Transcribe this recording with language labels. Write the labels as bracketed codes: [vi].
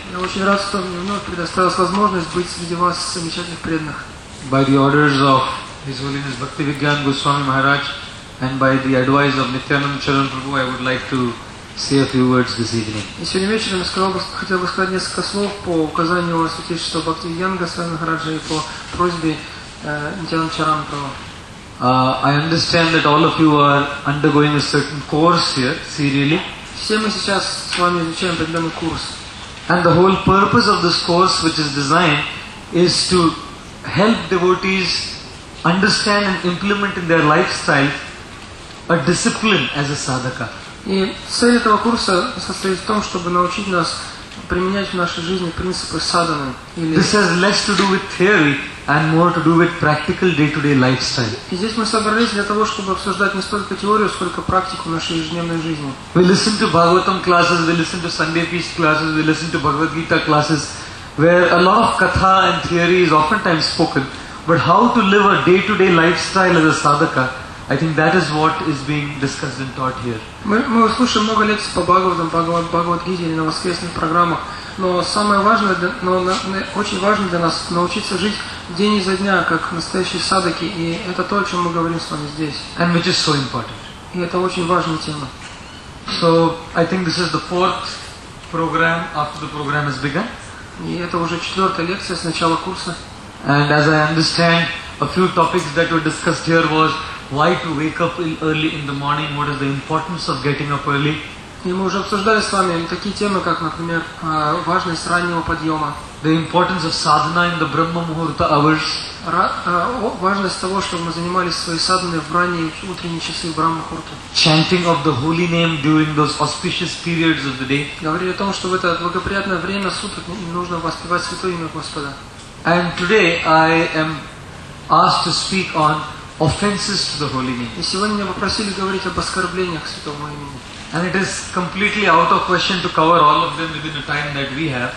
[ru] Я очень рад, что мне вновь предоставилась возможность быть среди вас замечательных преданных. [en] By the orders of His Holiness Bhaktivedanta Goswami Maharaj and by the advice of Nityananda Charan Prabhu, I would like to say a few words this evening. [ru] И сегодня вечером я хотел бы сказать несколько слов по указанию Его Святейшества Бхактивиданта Госвами Махараджа и по просьбе Нитянанда Чаран Прабху. [en] I understand that all of you are undergoing a certain course here, serially. [ru] Все мы сейчас с вами изучаем определенный курс. [en] And the whole purpose of this course, which is designed, is to help devotees understand and implement in their lifestyle a discipline as a sadhaka. [ru] И цель этого курса состоит в том, чтобы научить нас применять в нашей жизни принципы садханы. [en] This has less to do with theory and more to do with practical day-to-day lifestyle. [ru] И здесь мы собрались для того, чтобы обсуждать не столько теорию, сколько практику нашей ежедневной жизни. [en] We listen to Bhagavatam classes, we listen to Sunday feast classes, we listen to Bhagavad Gita classes, where a lot of katha and theory is oftentimes spoken, but how to live a day-to-day lifestyle as a sadhaka, I think that is what is being discussed and taught here. [ru] Мы слушаем много лекций по Бхагаватам, Бхагавад-гите или на воскресных программах, но самое важное, очень важно для нас научиться жить день изо дня как настоящие садаки, и это то, о чем мы говорим с вами здесь. [en] And which is so important. [ru] И это очень важная тема. [en] So I think this is the fourth program after the program has begun. [ru] И это уже четвертая лекция с начала курса. [en] And as I understand, a few topics that were discussed here was why to wake up early in the morning, what is the importance of getting up early. [ru] И мы уже обсуждали с вами такие темы, как, например, важность раннего подъема. [en] The importance of sadhana in the Brahma Muhurta hours. [ru] Важность того, чтобы мы занимались своей садханой в ранние утренние часы Брахма Мухурта. [en] Chanting of the holy name during those auspicious periods of the day. [ru] Говорили о том, что в это благоприятное время суток нужно воспевать святое имя Господа. [en] And today I am asked to speak on offenses to the holy name. [ru] И сегодня меня попросили говорить об оскорблениях святого имени. [en] And it is completely out of question to cover all of them within the time that we have.